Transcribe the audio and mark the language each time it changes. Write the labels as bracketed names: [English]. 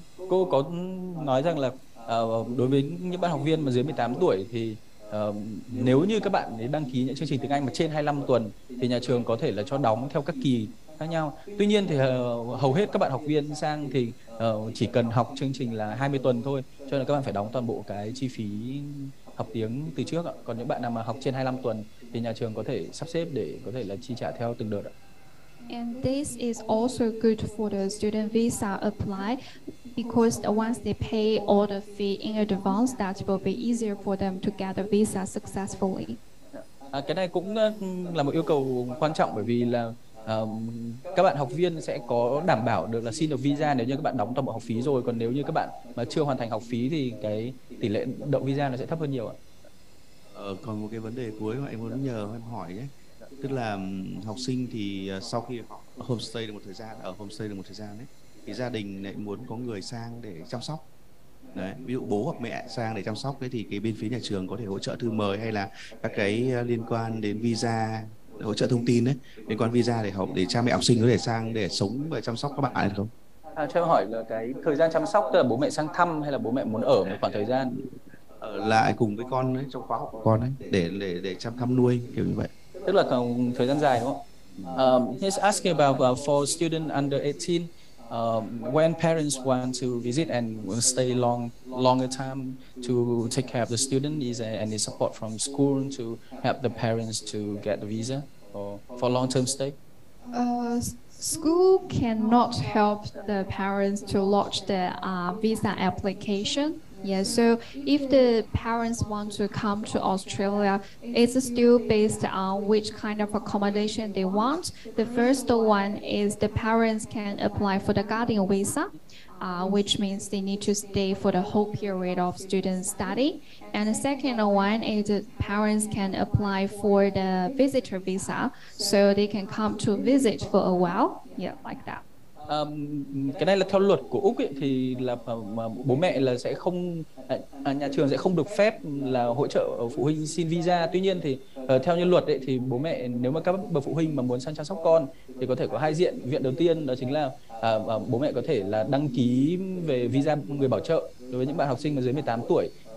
[Vietnamese] Cô có nói rằng là đối với những bạn học viên mà dưới 18 tuổi thì nếu như các bạn đăng ký những chương trình tiếng Anh mà trên 25 tuần thì nhà trường có thể là cho đóng theo các kỳ khác nhau. Tuy nhiên thì hầu hết các bạn học viên sang thì chỉ cần học chương trình là 20 tuần thôi, cho nên các bạn phải đóng toàn bộ cái chi phí học tiếng từ trước ạ. Còn những bạn nào mà học trên 25 tuần thì nhà trường có thể sắp xếp để có thể là chi trả theo từng đợt ạ. [English] And this is also good for the student visa apply, because once they pay all the fee in advance, that will be easier for them to get a visa successfully. [Vietnamese] Cái này cũng là một yêu cầu quan trọng, bởi vì là các bạn học viên sẽ có đảm bảo được là xin được visa nếu như các bạn đóng toàn bộ học phí rồi. Còn nếu như các bạn mà chưa hoàn thành học phí thì cái tỷ lệ đậu visa nó sẽ thấp hơn nhiều ạ. Còn một cái vấn đề cuối mà em muốn nhờ em hỏi nhé. Tức là học sinh thì sau khi ở homestay được một thời gian ấy, thì gia đình lại muốn có người sang để chăm sóc. Đấy, ví dụ bố hoặc mẹ sang để chăm sóc ấy, thì cái bên phía nhà trường có thể hỗ trợ thư mời hay là các cái liên quan đến visa, hỗ trợ thông tin ấy, liên quan visa để học, để cha mẹ học sinh có thể sang để sống và chăm sóc các bạn được không? Cho em hỏi là cái thời gian chăm sóc, tức là bố mẹ sang thăm hay là bố mẹ muốn ở một khoảng thời gian ở lại cùng với con ấy, trong khóa học của con ấy, để chăm thăm nuôi kiểu như vậy. Tức là thời gian dài đúng không? [English] He's asking about for student under 18, when parents want to visit and will stay longer time to take care of the student, is there any support from school to help the parents to get the visa or for long term stay? School cannot help the parents to lodge the visa application. Yeah, so if the parents want to come to Australia, it's still based on which kind of accommodation they want. The first one is the parents can apply for the guardian visa, which means they need to stay for the whole period of student study. And the second one is the parents can apply for the visitor visa, so they can come to visit for a while, yeah, like that. [Vietnamese] Cái này là theo luật của Úc ấy, thì là bố mẹ là sẽ không, nhà trường sẽ không được phép là hỗ trợ phụ huynh xin visa. Tuy nhiên thì theo như luật ấy, thì bố mẹ nếu mà các bậc phụ huynh mà muốn sang chăm sóc con thì có thể có hai diện. Viện đầu tiên đó chính là bố mẹ có thể là đăng ký về visa người bảo trợ đối với những bạn học sinh mà dưới 18 tuổi.